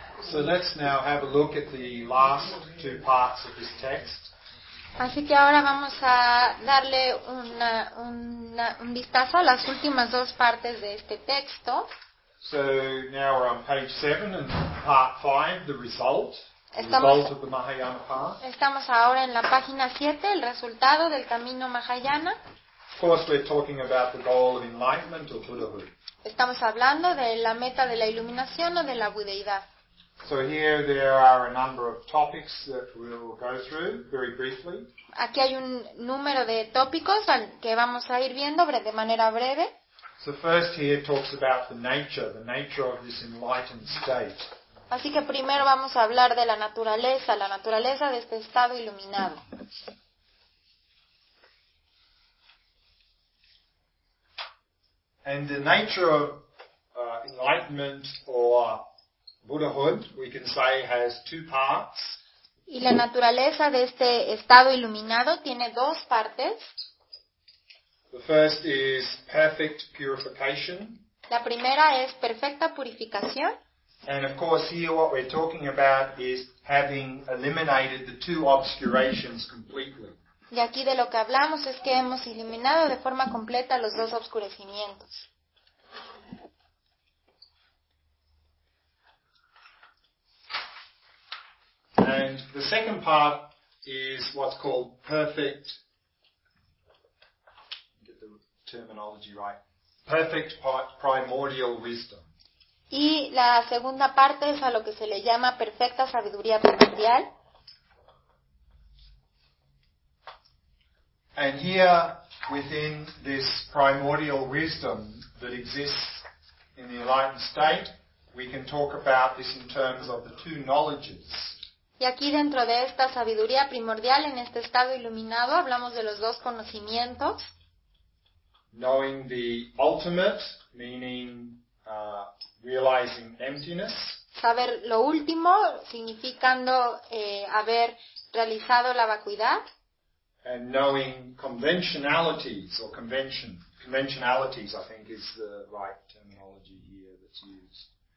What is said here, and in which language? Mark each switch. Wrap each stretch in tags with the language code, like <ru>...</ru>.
<en>So let's now have a look at the last two parts of this text.</en> <es>Así que ahora vamos a darle un vistazo a las últimas dos partes de este texto.</es> <en>So now we're on page 7 and part 5, the result.</en> <es>Estamos ahora en la página 7, el resultado del camino Mahayana.</es> <en>Of course, we're talking about the goal of enlightenment or Buddhahood.</en> <es>Estamos hablando de la meta de la iluminación o de la budeidad.</es> <en>So here there are a number of topics that we'll go through very briefly.</en> <es>Aquí hay un número de tópicos que vamos a ir viendo de manera breve.</es> <en>So first here talks about the nature of this enlightened state.</en> <es>Así que primero vamos a hablar de la naturaleza de este estado iluminado.</es> <en>And the nature of enlightenment or Buddhahood, we can say, has two parts.</en> <es>Y la naturaleza de este estado iluminado tiene dos partes.</es> <en>The first is perfect purification.</en> <es>La primera es perfecta purificación.</es> <en>And of course, here what we're talking about is having eliminated the two obscurations completely.</en> <es>Y aquí de lo que hablamos es que hemos eliminado de forma completa los dos obscurecimientos.</es> <en>And the second part is what's called perfect. Get the terminology right. Perfect primordial wisdom.</en> <es>Y la segunda parte es a lo que se le llama perfecta sabiduría primordial.</es> <en>And here, within this primordial wisdom that exists in the enlightened state, we can talk about this in terms of the two knowledges.</en> <es>Y aquí dentro de esta sabiduría primordial, en este estado iluminado, hablamos de los dos conocimientos.</es> <en>Knowing the ultimate, meaning realizing emptiness.</en> <es>Saber lo último, significando haber realizado la vacuidad.</es> <en>And knowing conventionalities or conventionalities, I think, is the right terminology here that's used.</en>